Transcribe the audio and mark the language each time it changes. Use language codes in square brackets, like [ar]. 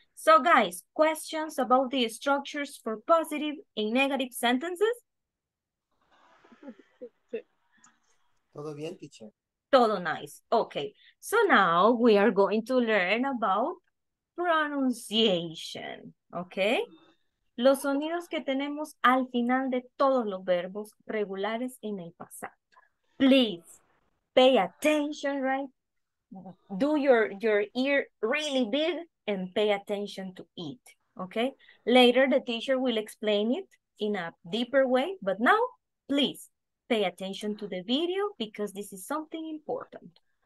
[en] So, guys, questions about the structures for positive and negative sentences? [es] Todo bien, teacher. Todo [en] nice. Okay. So, now we are going to learn about pronunciation. Okay. [es] Los sonidos que tenemos al final de todos los verbos regulares en el pasado. [en] Please. Pay attention, right? Do your ear really big and pay attention to it, okay? Later, the teacher will explain it in a deeper way, but now, please, pay attention to the video because this is something important.